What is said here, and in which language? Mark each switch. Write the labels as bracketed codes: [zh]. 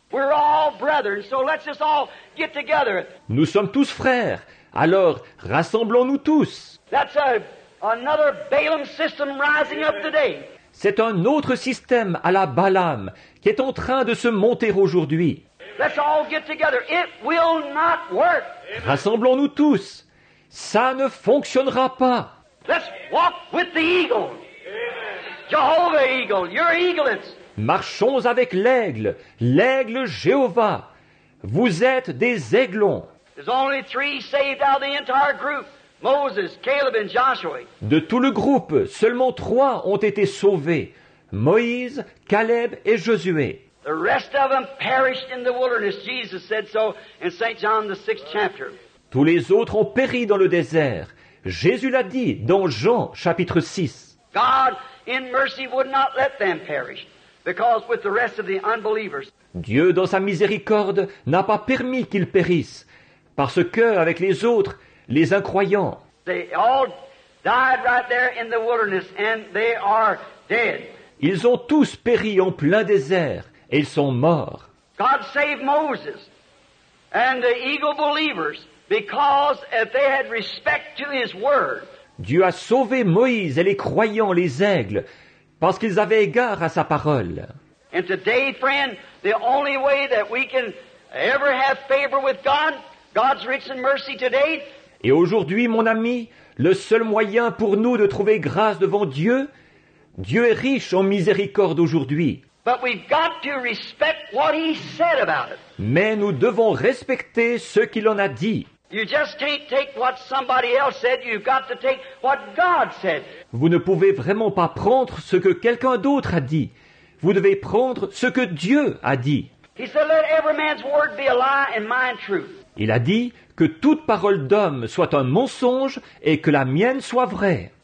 [en] We're all brethren, so let's just all get together. [fr] Nous sommes tous frères, alors rassemblons-nous tous. [en] That's another Balaam system rising up today. [fr] C'est un autre système à la Balaam qui est en train de se monter aujourd'hui. [en] Let's all get together. It will not work. [fr] Rassemblons-nous tous. Ça ne fonctionnera pas. [en] Let's walk with the eagle. Amen. Jehovah eagle, your eaglets. [fr] Marchons avec l'aigle, l'aigle Jéhovah. Vous êtes des aiglons. [en] There's only three saved out of the entire group. Moses, Caleb and Joshua. [fr] De tout le groupe, seulement trois ont été sauvés. Moïse, Caleb et Josué. [en] The rest of them perished in the wilderness. Jesus said so in St. John the 6th chapter. [fr] Tous les autres ont péri dans le désert. Jésus l'a dit dans Jean, chapitre 6. [en] God, in mercy, would not let them perish, because with the rest of the unbelievers. [fr] Dieu, dans sa miséricorde, n'a pas permis qu'ils périssent, parce que, avec les autres, les incroyants, [en] they all died right there in the wilderness, and they are dead. [fr] Ils ont tous péri en plein désert, et ils sont morts. [en] God saved Moses. and the eagle believers because they had respect to his word. [fr] Dieu a sauvé Moïse et les croyants, les aigles, parce qu'ils avaient égard à sa parole. [en] And today, friend, the only way that we can ever have favor with God, God's riches and mercy today. [fr] Et aujourd'hui, mon ami, le seul moyen pour nous de trouver grâce devant Dieu, Dieu est riche en miséricorde aujourd'hui. [en] But we've got to respect what he said about it. [fr] Mais nous devons respecter ce qu'il en a dit. [en] You just can't take what somebody else said, you've got to take what God said. [fr] Vous ne pouvez vraiment pas prendre ce que quelqu'un d'autre a dit. Vous devez prendre ce que Dieu a dit. [en] He said, let every man's word be a lie and mine truth. [fr] Il a dit que toute parole d'homme soit un mensonge et que la mienne soit vraie.